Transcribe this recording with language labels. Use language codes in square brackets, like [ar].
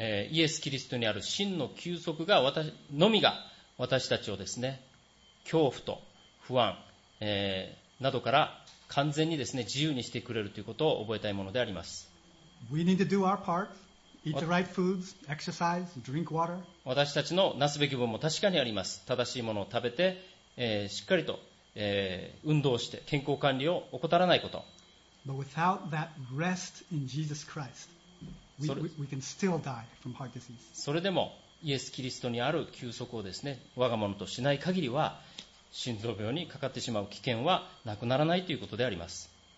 [ja] イエス・キリストにある真の休息が私のみが私たちをですね、恐怖と不安、などから完全にですね、自由にしてくれるということを覚えたいものであります。 [en] We need to do our part. Eat the right foods, exercise, drink water. [ja] 私たちのなすべき分も確かにあります。正しいものを食べて、しっかりと、運動して健康管理を怠らないこと。 [en] But without that rest in Jesus Christ,We can still die from heart disease. [ja] それでもイエス・キリストにある休息をですね、我が物としない限りは心臓病にかかってしまう危険はなくならないということであります。